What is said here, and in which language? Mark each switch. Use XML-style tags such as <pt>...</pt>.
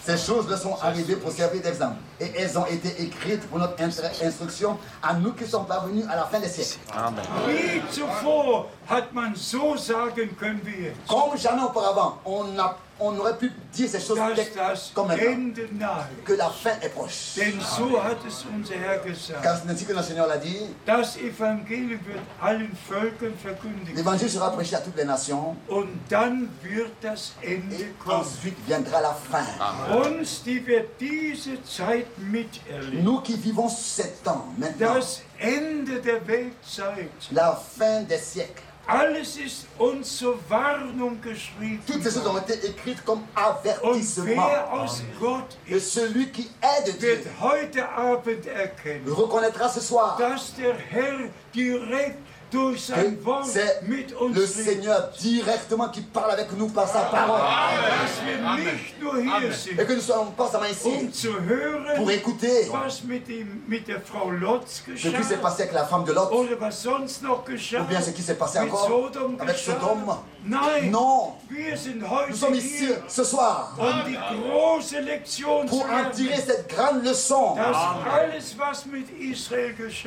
<fr>Ces choses leur sont arrivées pour servir d'exemple. Et elles ont été écrites pour notre instruction à nous qui sommes parvenus à la fin des siècles. Amen.</fr> <de>Wie zuvor hat man so sagen können wir jetzt.</de> <fr>Comme jamais auparavant, on aurait pu dire ces choses comme maintenant. Que la fin est proche.</fr> <de>Denn so hat es unser Herr gesagt.</de> <fr>Car c'est ainsi que le Seigneur l'a dit.</fr> <de>Das Evangelium wird allen Völkern verkündigt.</de> <fr>L'évangile sera prêché à toutes les nations.</fr> <de>Und dann wird das Ende</de> <fr>et</fr> <de>kommen.</de> <fr>Ensuite viendra la fin.</fr> <de>Uns, die wir diese Zeit miterleben.</de> <fr>Nous qui vivons sept temps maintenant.</fr> <de>Das Ende der Weltzeit.</de> <fr>La fin des siècles.</fr> <de>Alles ist uns zur Warnung geschrieben.</de> <fr>Toutes ces choses ont été écrites comme avertissement.</fr> <de>Und wer aus Gott ist,</de> <fr>celui qui est de</fr> <de>wird</de> <fr>Dieu</fr> <de>heute Abend erkennen,</de> <fr>reconnaîtra ce soir,</fr> <de>dass der Herr direkt durch sein Wort mit uns</de> <fr>le</fr> <de>redet.</de> <fr>Seigneur directement qui parle avec nous par sa parole.</fr> <de>Dass wir nicht nur hier Amen. Sind,</de> <fr>et que nous soyons pas seulement ici,</fr> <de>um zu hören,</de> <fr>pour écouter,</fr> <de>was mit der Frau Lotz geschah,</de> <fr>ce qui s'est passé avec la femme de Lot,</fr> <de>oder was sonst noch geschah,</de> <fr>ou bien ce qui s'est passé encore</fr> <de>Sodom</de> <fr>avec Sodom. Nein, non,</fr> <de>wir sind heute</de> <fr>nous sommes ici</fr> <de>hier,</de> <fr>ce soir</fr> <de>um die große Lektion</de> <fr>pour en tirer cette grande leçon</fr> <de>dass alles, was mit Israel geschah,</de>